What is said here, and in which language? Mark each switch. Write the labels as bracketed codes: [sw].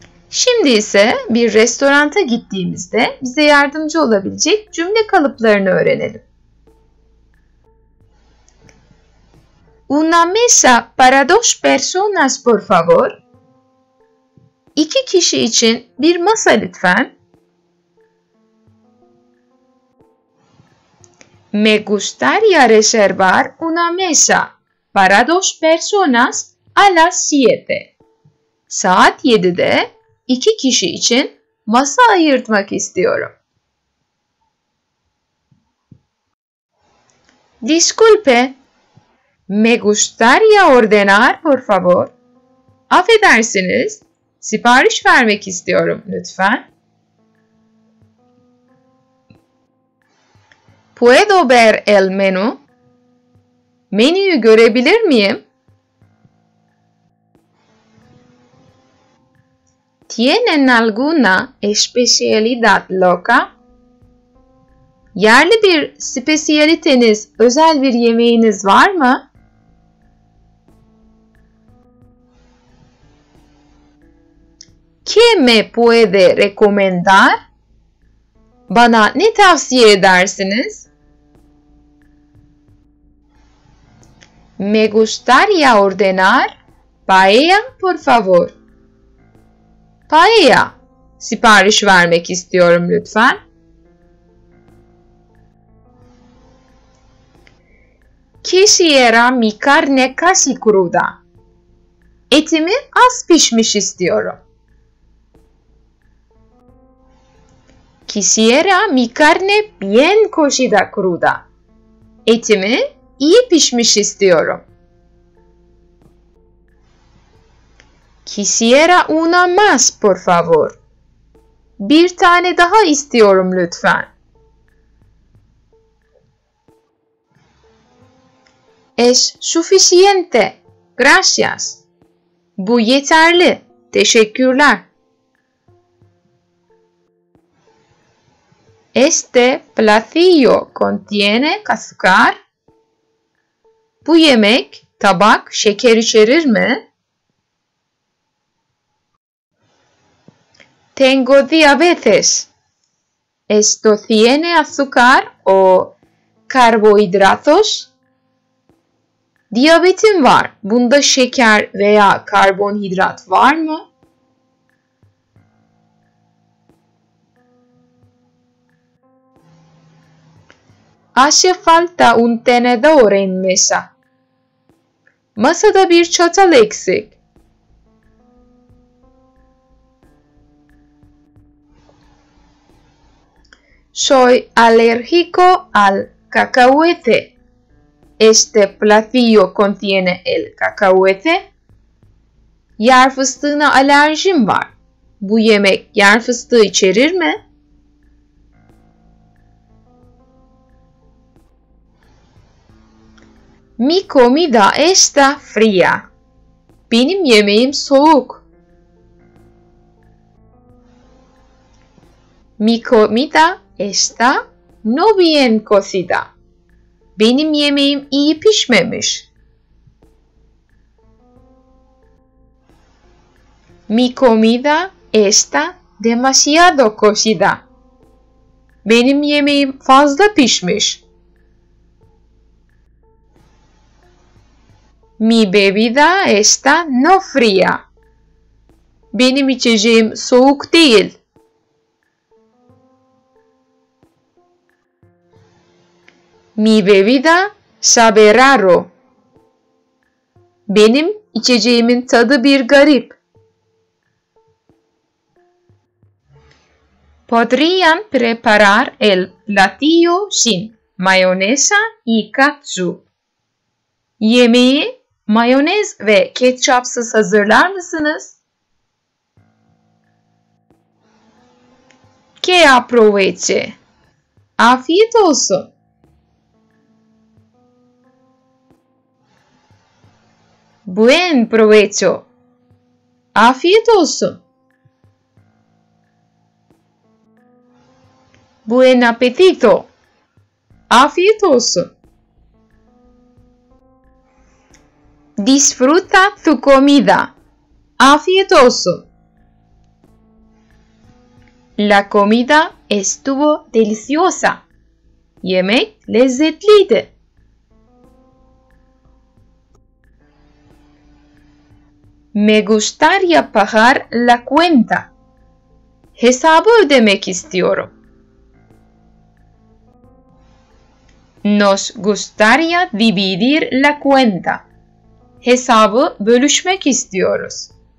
[tr] Şimdi ise bir restoranta gittiğimizde bize yardımcı olabilecek cümle kalıplarını öğrenelim. [es] Una mesa para dos personas, por favor. [tr] İki kişi için bir masa lütfen. [es] Me gustaría reservar una mesa para dos personas a las 7. [tr] Saat 7'de iki kişi için masa ayırtmak istiyorum. [es] Disculpe, me gustaría ordenar, por favor. [tr] Affedersiniz, sipariş vermek istiyorum lütfen. [es] ¿Puedo ver el menú? [tr] Menüyü görebilir miyim? [es] ¿Tienen alguna especialidad loca? [tr] Yerli bir spesiyaliteniz, özel bir yemeğiniz var mı? [es] ¿Qué me puede recomendar? [tr] Bana ne tavsiye edersiniz? [es] Me gustaría ordenar paella, por favor. [tr] Paella, sipariş vermek istiyorum lütfen. [es] Quisiera mi carne casi cruda. [tr] Etimi az pişmiş istiyorum. [es] Quisiera mi carne bien cocida cruda. [tr] Etimi iyi pişmiş istiyorum. [es] Quisiera una más, por favor. [tr] Bir tane daha istiyorum lütfen. [es] Es suficiente. Gracias. [tr] Bu yeterli. Teşekkürler. [es] Este platillo contiene azúcar. [tr] Bu yemek, tabak, şeker içerir mi? [es] Tengo diabetes. ¿Esto tiene azúcar o carbohidratos? [tr] Diyabetim var. Bunda şeker veya karbonhidrat var mı? [es] Hace falta un tenedor en mesa. [tr] Masada bir çatal eksik. [es] Soy alérgico al cacahuete. Este platillo contiene el cacahuete. [tr] Yer fıstığına alerjim var. Bu yemek yer fıstığı içerir mi? [es] Mi comida está fría. [tr] Benim yemeğim soğuk. [es] Mi comida está no bien cocida. [tr] Benim yemeğim iyi pişmemiş. [es] Mi comida está demasiado cocida. [tr] Benim yemeğim fazla pişmiş. [es] Mi bebida está no fría. [tr] Benim içeceğim soğuk değil. [es] Mi bebida sabe raro. [tr] Benim içeceğimin tadı bir garip. [es] ¿Podrían preparar el platillo sin mayonesa y catsup? [tr] Yemeği mayonez ve ketçapsız hazırlar mısınız? [es] Que aproveche. [tr] Afiyet olsun. [es] Buen provecho. [tr] Afiyet olsun. [es] Buen appetito. [tr] Afiyet olsun. [es] Disfruta tu comida. [tr] Afiyet olsun. [es] La comida estuvo deliciosa. [tr] Yemek lezzetliydi. [es] Me gustaría pagar la cuenta. [tr] Hesabı ödemek istiyorum. [es] Nos gustaría dividir la cuenta. [tr] Hesabı bölüşmek istiyoruz.